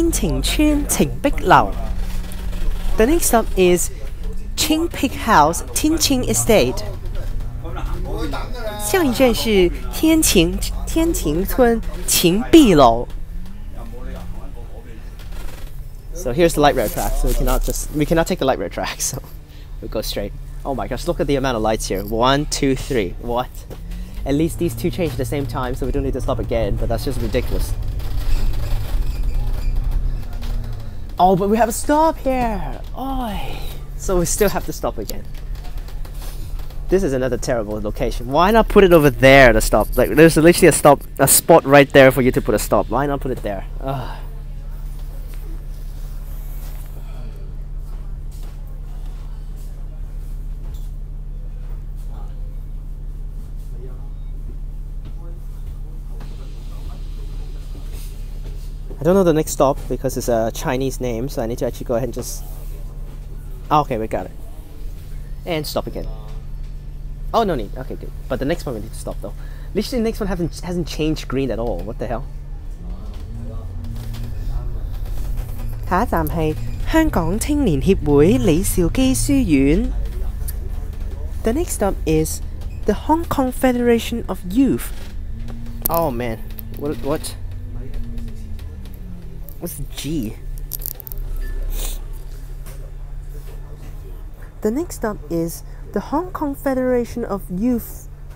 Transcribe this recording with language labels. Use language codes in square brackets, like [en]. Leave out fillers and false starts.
[en] The next stop is Ching Pig House Tin Ching Estate. [zh] 下一站是天晴村晴碧楼。 [en] So here's the light rail track. So we cannot take the light rail track. So we go straight. Oh my gosh! Look at the amount of lights here. 1, 2, 3. What? At least these two change at the same time, so we don't need to stop again. But that's just ridiculous. Oh, but we have a stop here! Oi! So we still have to stop again. This is another terrible location. Why not put it over there, the stop? Like, there's literally a spot right there for you to put a stop. Why not put it there? Ugh. I don't know the next stop because it's a Chinese name, so I need to actually go ahead and just... Oh, okay, we got it. And stop again. Oh, no need. Okay, good. But the next one we need to stop though. Literally the next one hasn't changed green at all. What the hell? [zh] 下一站是香港青年協會李兆基書院。 [en] The next stop is the Hong Kong Federation of Youth. Oh man, what? What's G? The next stop is the Hong Kong Federation of Youth.